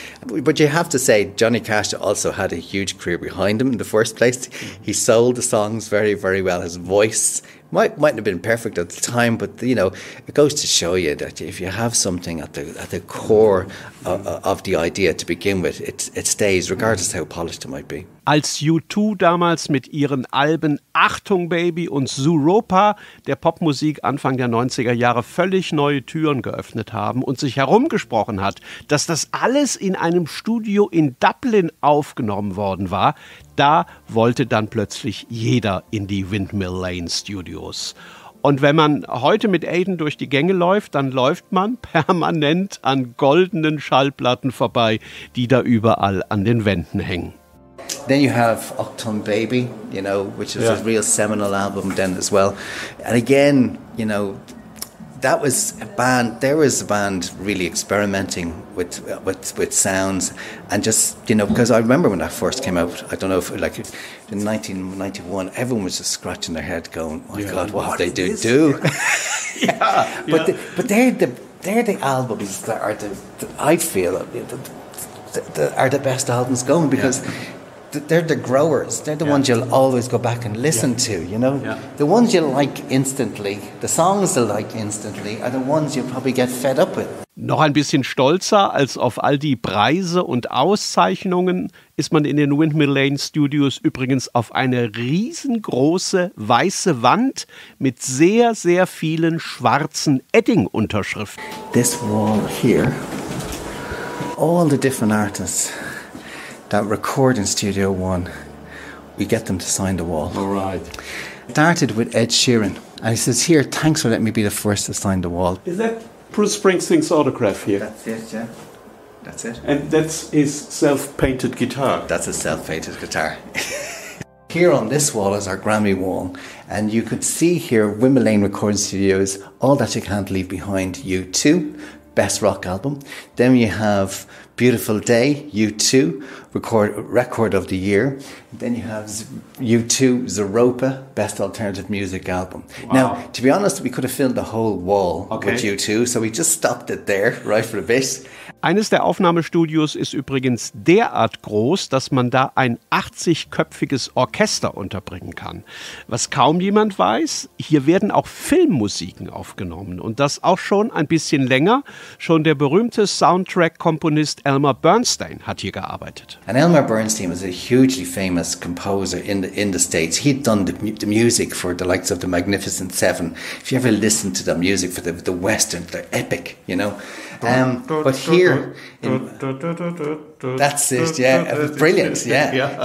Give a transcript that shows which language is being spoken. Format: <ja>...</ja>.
<en>But you have to say, Johnny Cash also had a huge career behind him in the first place. He sold the songs very, very well. His voice Mightn't have been perfect at the time, but you know, it goes to show you that if you have something at the core of the idea to begin with, it stays, regardless how polished it might be.</en> <de>Als U2 damals mit ihren Alben Achtung Baby und Zooropa der Popmusik Anfang der 90er Jahre völlig neue Türen geöffnet haben und sich herumgesprochen hat, dass das alles in einem Studio in Dublin aufgenommen worden war, da wollte dann plötzlich jeder in die Windmill Lane Studios. Und wenn man heute mit Aiden durch die Gänge läuft, dann läuft man permanent an goldenen Schallplatten vorbei, die da überall an den Wänden hängen.</de> <en>Then you have Octon Baby, you know, which is a real seminal album then as well. And again, you know, that was a band, there was a band really experimenting with sounds. And just, you know, because I remember when that first came out, I don't know if like in 1991, everyone was just scratching their head going, my God, what did they do? They're the albums that are the best albums going because... Yeah. They're the growers. They're the ones you'll always go back and listen to, you know? Yeah. The ones you like instantly, the songs you like instantly, are the ones you'll probably get fed up with.</en> <de>Noch ein bisschen stolzer als auf all die Preise und Auszeichnungen ist man in den Windmill Lane Studios übrigens auf eine riesengroße weiße Wand mit sehr, sehr vielen schwarzen Edding-Unterschriften.</de> <en>This wall here, all the different artists... That recording studio one, we get them to sign the wall. All right. Started with Ed Sheeran. And he says, here, thanks for letting me be the first to sign the wall. Is that Bruce Springsteen's autograph here? That's it, yeah. That's it. And that's his self-painted guitar. That's a self-painted guitar. Here on this wall is our Grammy wall. And you could see here, Windmill Lane Recording Studios, All That You Can't Leave Behind, U2, best rock album. Then you have... Beautiful Day, U2, record of the year. Then you have U2, Zooropa, best alternative music album. Wow. Now, to be honest, we could have filled the whole wall with U2, so we just stopped it there, right for a bit.</en> <de>Eines der Aufnahmestudios ist übrigens derart groß, dass man da ein 80-köpfiges Orchester unterbringen kann. Was kaum jemand weiß, hier werden auch Filmmusiken aufgenommen. Und das auch schon ein bisschen länger. Schon der berühmte Soundtrack-Komponist Elmer Bernstein hat hier gearbeitet.</de> <en>And Elmer Bernstein was a hugely famous composer in the States. He'd done the music for the likes of the Magnificent Seven. If you ever listen to the music for the Western, they're epic, you know. But here, that's it, yeah, brilliant, yeah.</en>